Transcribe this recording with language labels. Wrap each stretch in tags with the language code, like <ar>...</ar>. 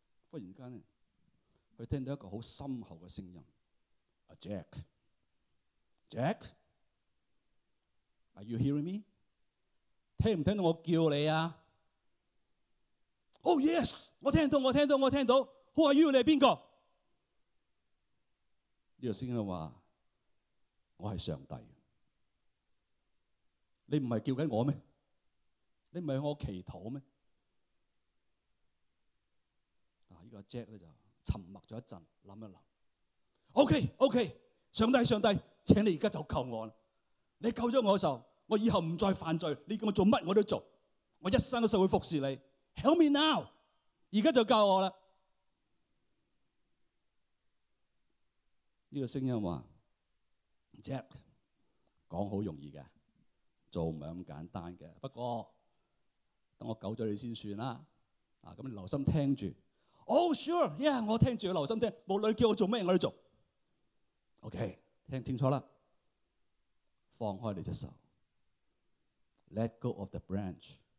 <yue>忽然间咧，佢听到一个好深厚嘅声音 ：Jack，Jack，</yue> <en>Are you hearing me？</en> <yue>听唔听到我叫你啊 ？</yue> <en>Oh yes，</en> <yue>我听到。</yue> <en>Who are you？</en> <yue>你系边个？呢个声音话。我是上帝，你不是叫我咩？你不是向我祈祷咩？啊，依个 Jack 咧就沉默咗一阵，谂一谂。OK， 上帝，请你而家就救我啦！你救咗我嘅时候，我以后唔再犯罪，你叫我做乜我都做，我一生一世会服侍你。</yue> <en>Help me now，</en> <yue>而家就救我啦！这个声音话。Jack， 讲好容易嘅，做唔系咁简单嘅。不过等我救咗你先算啦。啊，咁你留心听住。</yue> <en>Oh sure， yeah，</en> <yue>我听住，留心听。无论叫我做咩，我都做。OK， 听清楚啦。放开你只手 ，</yue> <en>Let go of the branch。</en>